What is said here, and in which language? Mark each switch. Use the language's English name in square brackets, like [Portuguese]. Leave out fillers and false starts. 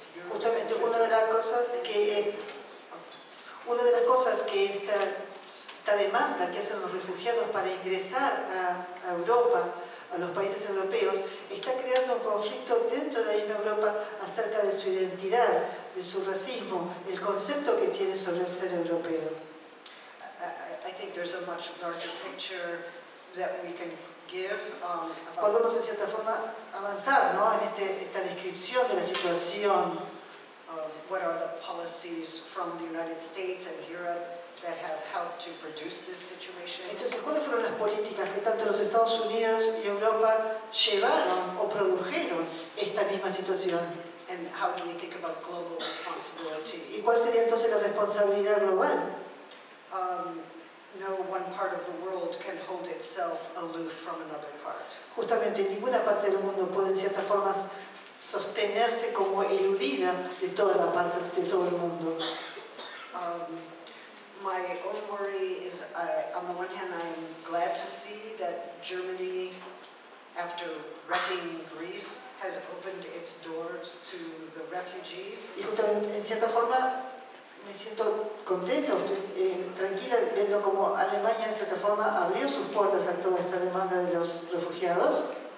[Spanish] Justamente una de las cosas que es una de las cosas que esta demanda que hacen los refugiados para ingresar a Europa, a los países europeos, está creando un conflicto dentro de la misma Europa acerca de su identidad, de su racismo, el concepto que tiene sobre el ser europeo. [English] I think there's a much larger picture that we can give, [Spanish] podemos en cierta forma avanzar, ¿no? En esta descripción de la situación. [English] What are the policies from the United States and Europe that have helped to produce this situation? [Spanish] Entonces, ¿cuáles fueron las políticas que tanto los Estados Unidos y Europa llevaron o produjeron esta misma situación? [English] And how do we think about global responsibility? [Spanish] ¿Y cuál sería entonces la responsabilidad global? [English] No one part of the world can hold itself aloof from another part. [Spanish] Justamente ninguna parte del mundo puede, en ciertas formas, sostenerse como eludida de toda la parte de todo el mundo. [English] My own worry is, on the one hand, I'm glad to see that Germany, after wrecking Greece, has opened its doors to the refugees. [Spanish] Y justamente, en cierta forma, me siento contenta, tranquila, viendo como Alemania, en cierta forma, abrió sus puertas a toda esta demanda de los refugiados.